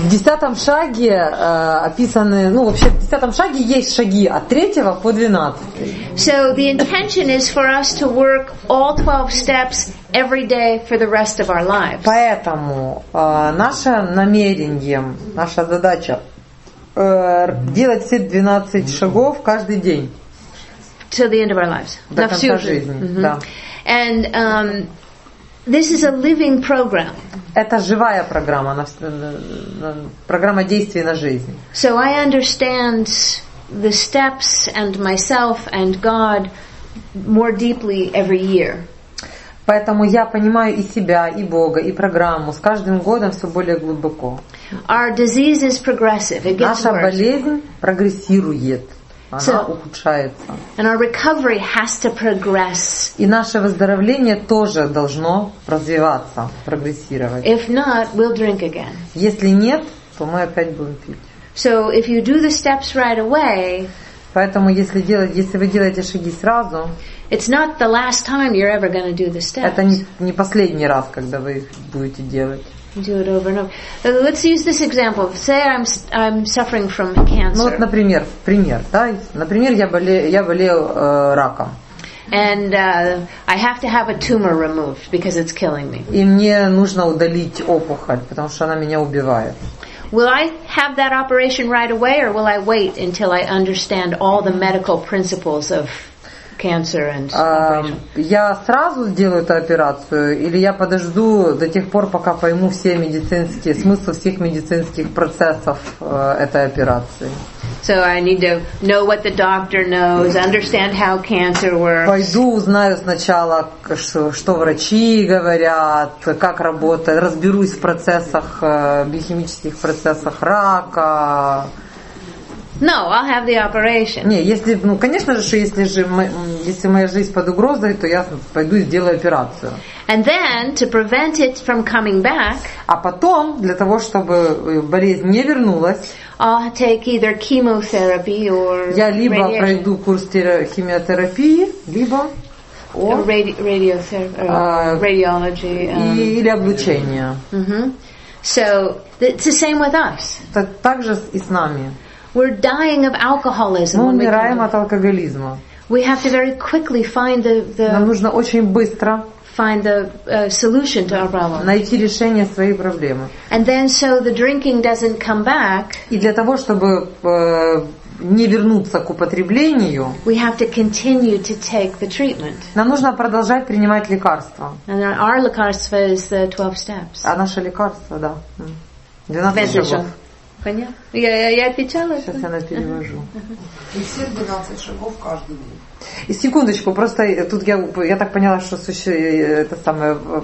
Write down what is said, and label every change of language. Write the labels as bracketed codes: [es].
[ru] В 10-м шаге описаны, ну, вообще в 10-м шаге есть шаги от 3 по 12. [en] So the intention is for us to work all 12 steps every day for the rest of our lives. [ru] Поэтому наше намерение, наша задача делать все 12 шагов каждый день. [en] Till the end of our lives. [ru] До конца жизни. Да. [en] And this is a living program. [ru] Это живая программа, программа действий на жизнь. [en] So I understand the steps and myself and God more deeply every year. [ru] Поэтому я понимаю и себя, и Бога, и программу с каждым годом все более глубоко. [en] Our disease is progressive. It gets [ru] наша болезнь прогрессирует, она so, ухудшается. [en] And our recovery has to progress. [ru] И наше выздоровление тоже должно развиваться, прогрессировать. [en] If not, we'll drink again. [ru] Если нет, то мы опять будем пить. [en] So if you do the steps right away, [ru] поэтому если вы делаете шаги сразу, [en] it's not the last time you're ever going to do the steps. [ru] Это не последний раз, когда вы их будете делать. [en] Do it over and over. Let's use this example. Say I'm suffering from cancer. [ru] Ну вот, например, пример, да? Например, я болею раком. [en] And I have to have a tumor removed because it's killing me. [ru] И мне нужно удалить опухоль, потому что она меня убивает. [en] Will I have that operation right away, or will I wait until I understand all the medical principles of cancer and [ru] я сразу сделаю эту операцию, или я подожду до тех пор, пока пойму все медицинские смысл всех медицинских процессов этой операции. [en] So I need to know what the doctor knows, understand how cancer works. [ru] Пойду, узнаю сначала, что врачи говорят, как работает, разберусь в процессах, биохимических процессах рака. [en] No, I'll have the operation. [ru] Не, если, ну, конечно же, если моя жизнь под угрозой, то я пойду и сделаю операцию. [en] And then to prevent it from coming back. [ru] А потом для того, чтобы болезнь не вернулась. [en] I'll take either chemotherapy or [ru] я либо [en] radiation. [ru] Пройду курс химиотерапии, либо [en] radiology. [ru] Или облучение. [en] So it's the same with us. [ru] Так же и с нами. [en] We're dying of alcoholism. [ru] Мы умираем от алкоголизма. [en] We have to very quickly find the [ru] нам нужно очень быстро [en] find the solution to our problem. [ru] Найти решение своей проблемы. [en] And then so the drinking doesn't come back. [ru] И для того, чтобы не вернуться к употреблению, [en] we have to continue to take the treatment. [ru] Нам нужно продолжать принимать лекарства. [en] And our lekarstvo is the 12 steps. [ru] А наше лекарство, да. 12 шагов. Понятно? Я отвечала. Сейчас я нас перевожу. И все 12 шагов каждый день. И секундочку, просто тут я так поняла, что это самое